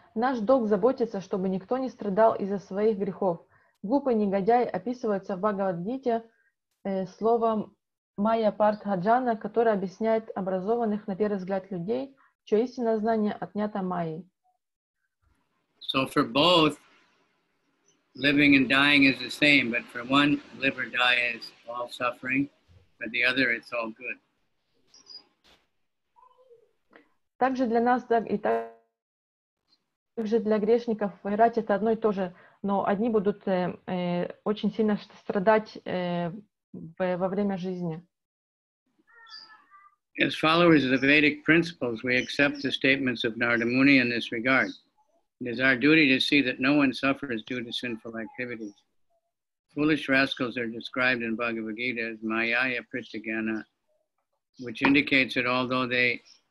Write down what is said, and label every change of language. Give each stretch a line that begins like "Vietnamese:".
Russian: Наш долг заботиться, чтобы никто не страдал из-за своих грехов. Глупый негодяй описывается в Бхагавад-гите словом «Майя Партха Джана», которое объясняет образованных на первый взгляд людей, чье истинное знание отнято Майей.
English: So for both, living and dying is the same, but for one, live or die is all suffering, for the other, it's all good.
Russian: Также для нас, так и так, также для грешников умирать это одно и то же, но одни будут очень сильно страдать во время жизни.
English: As followers of the Vedic principles, we accept the statements of Narada Muni in this regard. It is our duty to see that no one suffers due to sinful activities. Foolish rascals are described in Bhagavad Gita as Mayaya Pristagana, which indicates that although they